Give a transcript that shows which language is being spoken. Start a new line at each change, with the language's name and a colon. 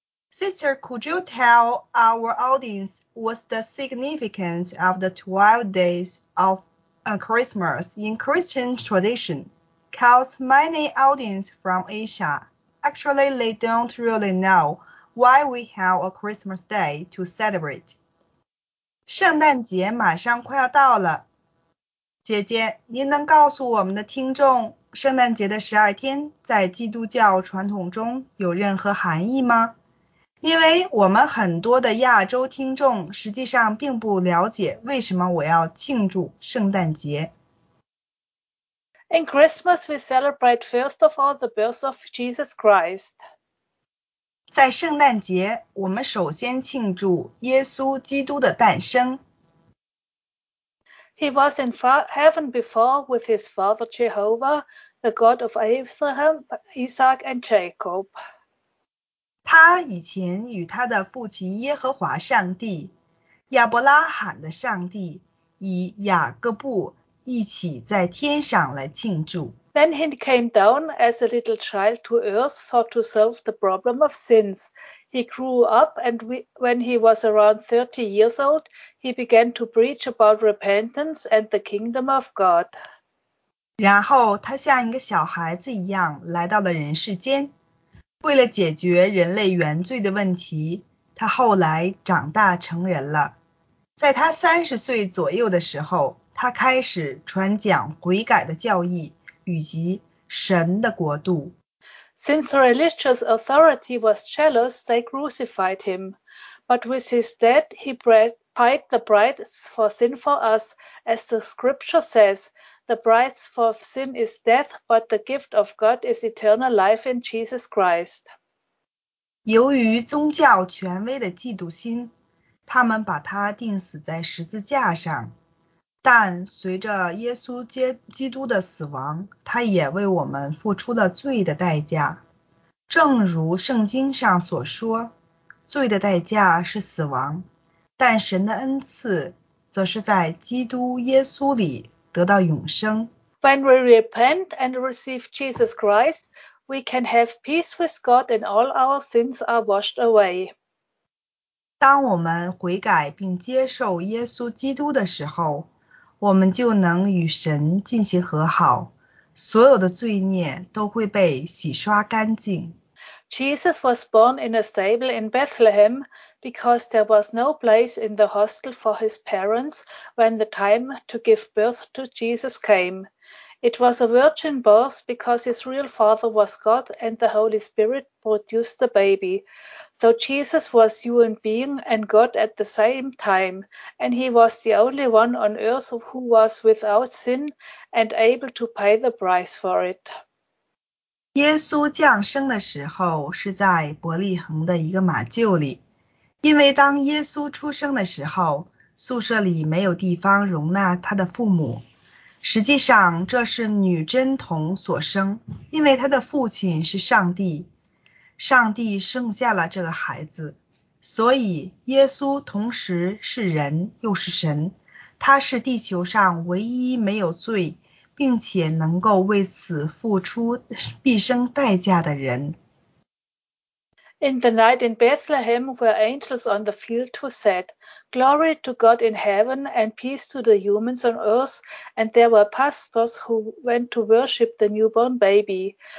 English: Sister, could you tell our audience what's the significance of the 12 days of Christmas in Christian tradition? Because many audience from Asia, actually they don't really knowWhy we have a Christmas day to celebrate.
Chinese: 圣诞节马上快要到了。姐姐，您能告诉我们的听众，圣诞节的十二天在基督教传统中有任何含义吗？因为我们很多的亚洲听众实际上并不了解为什么我要庆祝圣诞节。
English: In Christmas, we celebrate first of all the birth of Jesus Christ.
Chinese: 在圣诞节，我们首先庆祝耶稣基督的诞生。
English: He was in heaven before with his father Jehovah, the God of Abraham, Isaac, and Jacob.
Chinese: 他以前与他的父亲耶和华上帝、亚伯拉罕的上帝、以雅各布一起在天上来庆祝。
English: Then he came down as a little child to earth for to solve the problem of sins. He grew up and when he was around 30 years old, he began to preach about repentance and the kingdom of God.
Chinese: 然后他像一个小孩子一样来到了人世间。为了解决人类原罪的问题，他后来长大成人了。在他30岁左右的时候，他开始传讲悔改的教义。以及神的国度。
English: Since the religious authority was jealous, they crucified him. But with his death, he paid the price for sin for us, as the scripture says, the price for sin is death, but the gift of God is eternal life in Jesus Christ.
Chinese: 由于宗教权威的嫉妒心，他们把他钉死在十字架上。但随着耶稣基督的死亡，他也为我们付出了罪的代价。正如圣经上所说，罪的代价是死亡，但神的恩赐则是在基督耶稣里得到永生。
English: When we repent and receive Jesus Christ, we can have peace with God and all our sins are washed away.
Chinese: 当我们悔改并接受耶稣基督的时候，我们就能与神进行和好，所有的罪孽都会被洗刷干净。
English: Jesus was born in a stable in Bethlehem because there was no place in the hostel for his parents when the time to give birth to Jesus came. It was a virgin birth because his real father was God and the Holy Spirit produced the baby. So Jesus was human being and God at the same time, and he was the only one on earth who was without sin and able to pay the price for it.
Chinese: 耶稣降生的时候是在伯利恒的一个马厩里，因为当耶稣出生的时候，宿舍里没有地方容纳他的父母。实际上这是女贞童所生，因为他的父亲是上帝。上帝生下了这个孩子，所以耶稣同时是人又是神，他是地球上唯一没有罪，并且能够为此付出毕生代价的人。
English: In the night in Bethlehem were angels on the field who said, Glory to God in heaven and peace to the humans on earth, and there were pastors who went to worship the newborn baby.